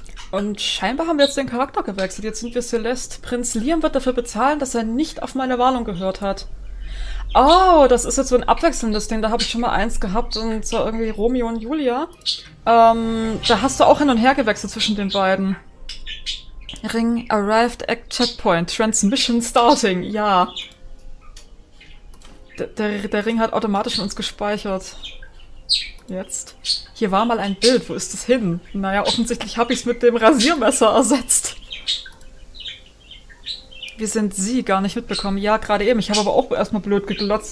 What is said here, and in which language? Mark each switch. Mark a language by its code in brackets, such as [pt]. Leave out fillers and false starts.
[de] Und scheinbar haben wir jetzt den Charakter gewechselt. Jetzt sind wir Celeste. Prinz Liam wird dafür bezahlen, dass er nicht auf meine Warnung gehört hat. Oh, das ist jetzt so ein abwechselndes Ding. Da habe ich schon mal eins gehabt und zwar irgendwie Romeo und Julia. Da hast du auch hin und her gewechselt zwischen den beiden. [en] Ring arrived at checkpoint. Transmission starting. [de] Ja. Der Ring hat automatisch in uns gespeichert. Jetzt. Hier war mal ein Bild. Wo ist es hin? Naja, offensichtlich habe ich es mit dem Rasiermesser ersetzt. Wir sind sie gar nicht mitbekommen. Ja, gerade eben. Ich habe aber auch erstmal blöd geglotzt.